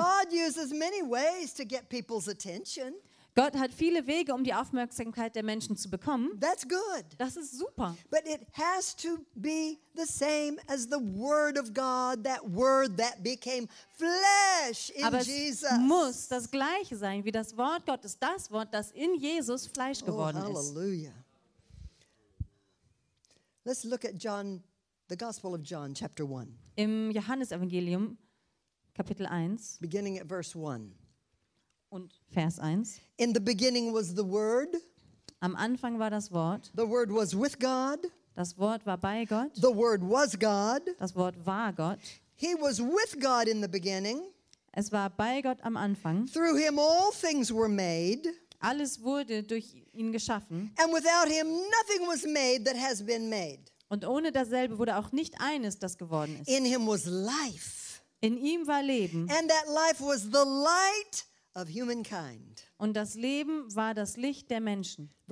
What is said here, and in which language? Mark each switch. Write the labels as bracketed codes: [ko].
[en] God uses many ways to get people's attention. [de] Gott hat viele Wege, um die Aufmerksamkeit der Menschen zu bekommen. [en] That's good. [de] Das ist super. [en] But it has to be the same as the word of God, that word that became flesh in [de] Aber es [en] Jesus. [de] Muss das gleiche sein wie das Wort Gottes, das Wort, das in Jesus Fleisch geworden ist. Oh, hallelujah. [en] Let's look at John, the Gospel of John, chapter 1. [de] Im Johannesevangelium Kapitel 1. [en] Beginning at verse 1. [de] Und Vers 1. [en] In the beginning was the word. [de] Am Anfang war das Wort. [en] The word was with God. [de] Das Wort war bei Gott. [en] The word was God. [de] Das Wort war Gott. [en] He was with God in the beginning. [de] Es war bei Gott am Anfang. [en] Through him all things were made. [de] Alles wurde durch ihn geschaffen. [en] And without him nothing was made that has been made. [de] Und ohne dasselbe wurde auch nicht eines, das geworden ist. [en] In him was life. [de] In ihm war Leben. [en] And that life was the light of humankind. [de] Und das Leben war das Licht der Menschen.